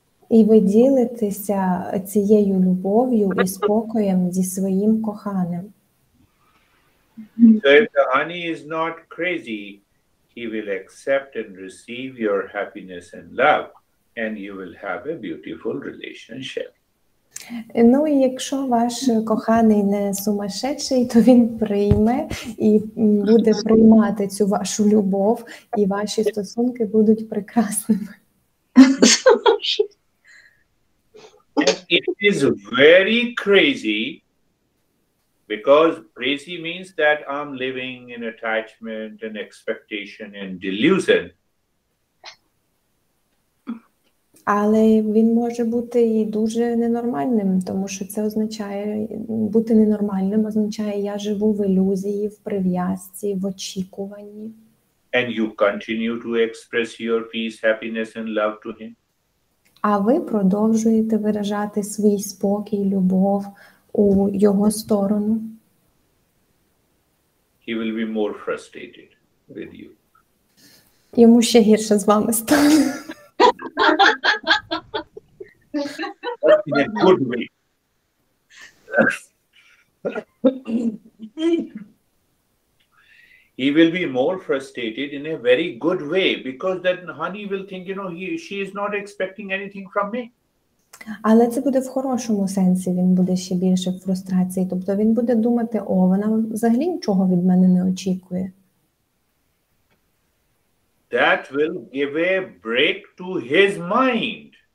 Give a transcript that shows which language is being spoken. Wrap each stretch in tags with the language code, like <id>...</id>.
<uk>І ви ділитеся цією любов'ю і спокоєм зі своїм коханим.</uk> <en>So if the honey is not crazy, he will accept and receive your happiness and love, and you will have a beautiful relationship.</en> <uk>Ну і якщо ваш коханий не сумасшедший, то він прийме і буде приймати цю вашу любов, і ваші стосунки будуть прекрасними.</uk> <en>It is very crazy, because crazy means that I'm living in attachment and expectation and delusion.</en> <uk>Але він може бути і дуже ненормальним, тому що це означає, бути ненормальним означає, я живу в ілюзії, в прив'язці, в очікуванні.</uk> <en>And you continue to express your peace, happiness and love to him?</en> <uk>А ви продовжуєте виражати свій спокій, любов у його сторону?</uk> <en>He will be more frustrated with you.</en> <uk>Йому ще гірше з вами стане.</uk> <en>In a good way. He will be more frustrated in a very good way, because that honey will think, you know, she is not expecting anything from me.</en> <uk>Але це буде в хорошому сенсі, він буде ще більше в фрустрації. Тобто він буде думати, о, вона взагалі нічого від мене не очікує.</uk> <en>That will give a break to his mind.</en>